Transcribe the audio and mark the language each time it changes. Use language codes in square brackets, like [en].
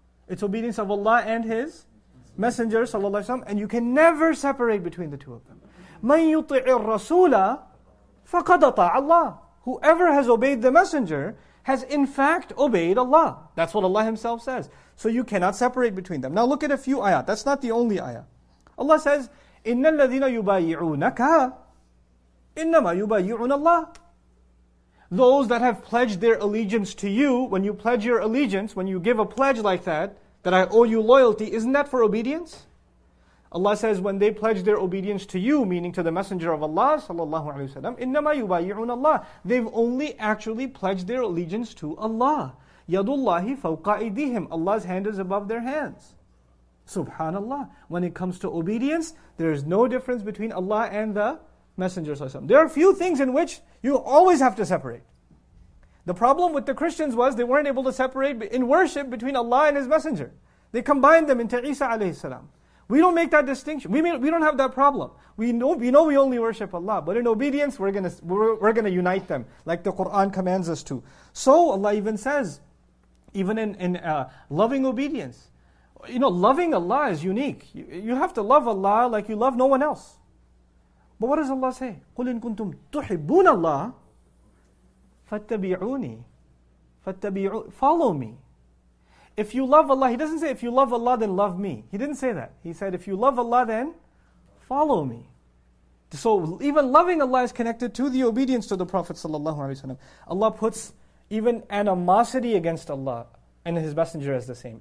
[en] It's obedience of Allah and His Messenger, sallallahu alaihi wasallam, and you can never separate between the two of them. [ar] مَنْ يُطِعِ الرَّسُولَ فَقَدْ أَطَاعَ اللَّهِ. [en] Whoever has obeyed the Messenger has in fact obeyed Allah. That's what Allah Himself says. So you cannot separate between them. Now look at a few ayat. That's not the only ayah. Allah says, [ar] إِنَّ الَّذِينَ يُبَايِعُونَكَ إِنَّمَا يُبَايِعُونَ اللَّهِ. [en] Those that have pledged their allegiance to you, when you pledge your allegiance, when you give a pledge like that, that I owe you loyalty, isn't that for obedience? Allah says, when they pledge their obedience to you, meaning to the Messenger of Allah, sallallahu alayhi wa sallam, [ar] إِنَّمَا يُبَايِعُونَ اللَّهِ. [en] They've only actually pledged their allegiance to Allah. [ar] يَدُ اللَّهِ فَوْقَ أَيْدِيهِمْ. [en] Allah's hand is above their hands. Subhanallah. When it comes to obedience, there is no difference between Allah and the Messenger. There are a few things in which you always have to separate. The problem with the Christians was they weren't able to separate in worship between Allah and His Messenger. They combined them into Isa alayhi salam. We don't make that distinction. We don't have that problem. We know we only worship Allah. But in obedience, we're gonna unite them like the Quran commands us to. So Allah even says, even in loving obedience, you know, loving Allah is unique. You have to love Allah like you love no one else. But what does Allah say? [ar] قُلْ إِن كُنْتُمْ تُحِبُّونَ اللَّهِ فَاتَّبِعُونِي [en] Follow me. If you love Allah, He doesn't say, if you love Allah, then love me. He didn't say that. He said, if you love Allah, then follow me. So even loving Allah is connected to the obedience to the Prophet sallallahu alaihi wasallam. Allah puts even animosity against Allah and His Messenger as the same.